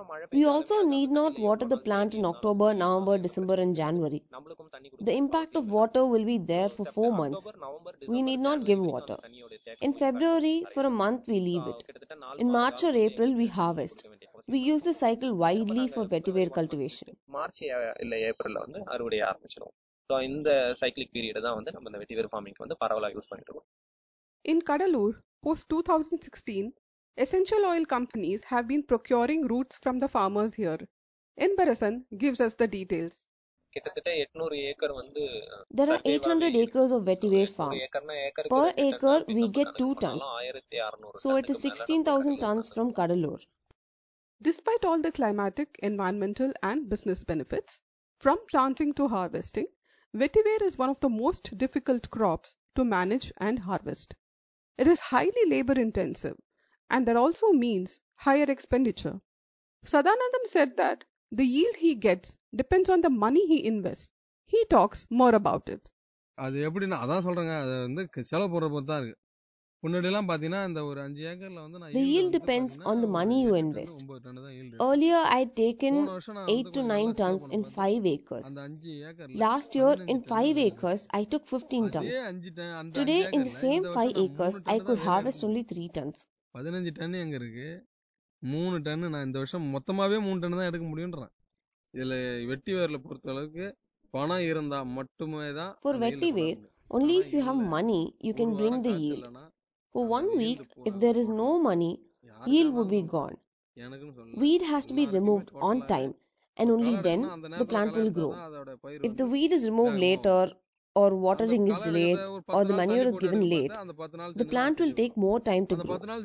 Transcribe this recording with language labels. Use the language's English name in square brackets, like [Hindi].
[English] We also need not water the plant in October, November, December and January. The impact of water will be there for 4 months. We need not give water. In February, for a month, we leave it. In March or April, we harvest. We use the cycle widely for vetiver cultivation. So in the cyclic period [Tamil] தான் வந்து நம்ம இந்த வெட்டிவேர் ஃபார்மிங்க்கு வந்து பரவலா use பண்ணிட்டு இருக்கோம். [English] In Kadalur post 2016 essential oil companies have been procuring roots from the farmers here. Inbarasan gives us the details. [Tamil] கிட்டத்தட்ட 800 ஏக்கர் வந்து [English] there are 800 acres of vetiver farm. Per acre we get 2 tons. So it is 16000 tons from Kadalur. Despite all the climatic, environmental and business benefits from planting to harvesting, vetiver is one of the most difficult crops to manage and harvest. It is highly labor intensive and that also means higher expenditure. Sadanandam said that the yield he gets depends on the money he invests. He talks more about it. [Tamil] அது எப்படினா அதான் சொல்றேங்க அது வந்து செலவு போறது தான் இருக்கு. முன்னாடிலாம் பாத்தீனா இந்த ஒரு 5 ஏக்கர்ல வந்து நான் [English] the yield depends on the money you invest. Earlier I had taken 8 to 9 tons in 5 acres. Last year in 5 acres I took 15 tons. Today in the same 5 acres I could harvest only 3 tons. [Tamil] 15 ton எங்க இருக்கு 3 ton நான் இந்த வருஷம் மொத்தமாவே 3 ton தான் எடுக்க முடியும்ன்றேன். இதுல வெட்டிவேர்ல பொறுத்த அளவுக்கு பணம் இருந்தா மட்டுமே தான் [English] for vetiver only if you have money you can bring the yield. For 1 week, if there is no money, yield would be gone. Weed has to be removed on time and only then the plant will grow. If the weed is removed later or watering is delayed or the manure is given late, the plant will take more time to grow.